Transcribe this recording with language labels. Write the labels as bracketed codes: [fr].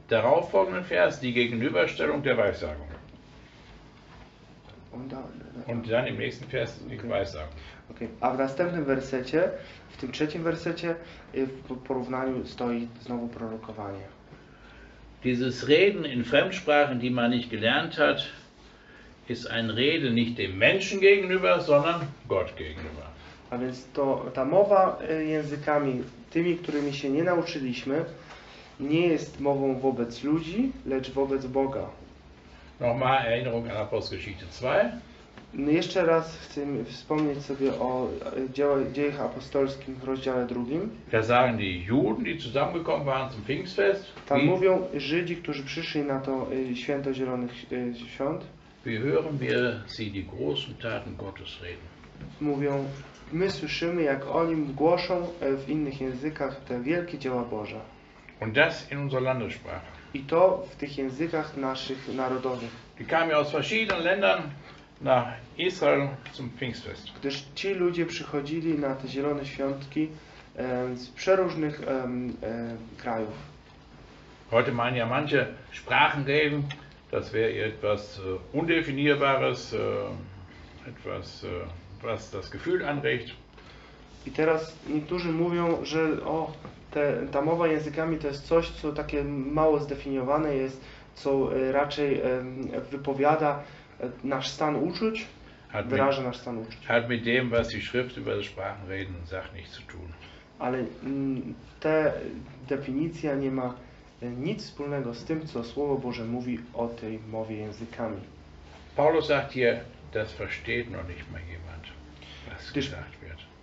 [de] Darauf folgenden Vers die Gegenüberstellung der Weissagung. Und dann im nächsten Vers die Weissagung. Okay. [pl] A w następnym wersecie, w tym trzecim wersecie, w porównaniu stoi znowu prorokowanie. [de] Dieses Reden in Fremdsprachen, die man nicht gelernt hat, ist ein Reden nicht dem Menschen gegenüber, sondern Gott gegenüber. [pl] A więc to, ta mowa językami, tymi, którymi się nie nauczyliśmy, nie jest mową wobec ludzi, lecz wobec Boga. [de] Nochmal Erinnerung an Apostelgeschichte 2. [pl] No jeszcze raz chcę wspomnieć sobie o dziejach apostolskim w rozdziale drugim. [de] Da sagen die Juden, die zusammengekommen waren zum Pfingstfest. [pl] Tam mówią Żydzi, którzy przyszli na to święto Zielonych Świąt. [de] Wie hören wir sie die großen Taten Gottes reden? [pl] Mówią, my słyszymy, jak oni głoszą w innych językach te wielkie dzieła Boże. [de] Und das in unserer Landessprache. [pl] I to w tych językach naszych narodowych. [de] Die kamen aus verschiedenen Ländern nach Israel zum Pfingstfest. [pl] Gdyż ci ludzie przychodzili na te zielone świątki z przeróżnych krajów. [de] Heute meinen ja manche Sprachenreden, das wäre etwas undefinierbares, etwas, was das Gefühl anregt. [pl] I teraz niektórzy mówią, że o, ta mowa językami to jest coś, co takie mało zdefiniowane jest, co raczej wypowiada nasz stan uczuć, wyraża nasz stan uczuć. [de] Hat mit dem, was die Schrift über die Sprachen reden, sagt nichts zu tun. [pl] Ale ta definicja nie ma nic wspólnego z tym, co Słowo Boże mówi o tej mowie językami. [de] Paulus sagt hier, das versteht noch nicht mal jemand, was gesagt wird.